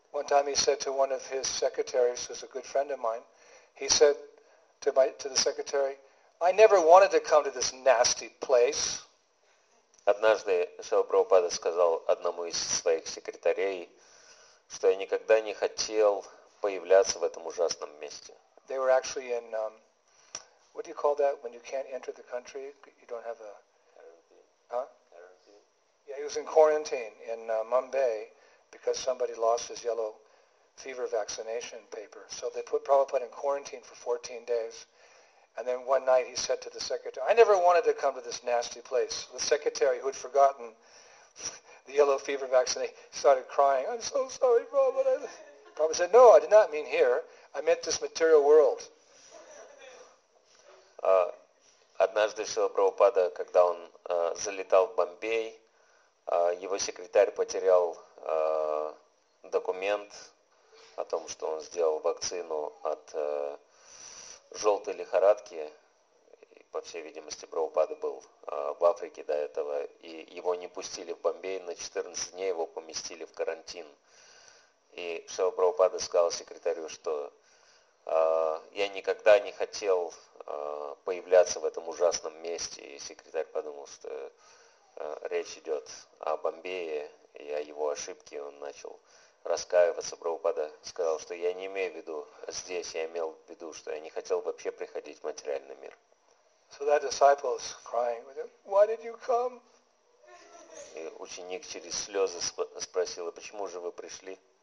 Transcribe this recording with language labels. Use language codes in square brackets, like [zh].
[en] One time he said to one of his secretaries, who's a good friend of mine, he said to the secretary, I never wanted to come to this nasty place. [ru] Однажды Шрила Прабхупада сказал одному из своих секретарей, что я никогда не хотел появляться в этом ужасном месте. [en] They were actually in, what do you call that, when you can't enter the country, you don't have a... Quarantine. Yeah, he was in quarantine in Mumbai because somebody lost his yellow fever vaccination paper. So they put Prabhupada in quarantine for 14 days. And then one night he said to the secretary, I never wanted to come to this nasty place. The secretary, who had forgotten the yellow fever vaccination, started crying. I'm so sorry, Prabhupada. Prabhupada said, no, I did not mean here. I meant this material world. [ru] Однажды Шрила Прабхупада, когда он залетал в Бомбей, его секретарь потерял документ о том, что он сделал вакцину от желтой лихорадки. И, по всей видимости, Прабхупада был в Африке до этого. И его не пустили в Бомбей. На 14 дней его поместили в карантин. И Шрила Прабхупада сказал секретарю, что я никогда не хотел появляться в этом ужасном месте. И секретарь подумал, что речь идет о Бомбее и о его ошибке. Он начал раскаиваться. Прабхупада сказал, что я не имею в виду здесь, я имел в виду, что я не хотел вообще приходить в материальный мир. [en] So that disciple's crying with him, why did you come? [ru] И ученик через слезы спросил, почему же вы пришли?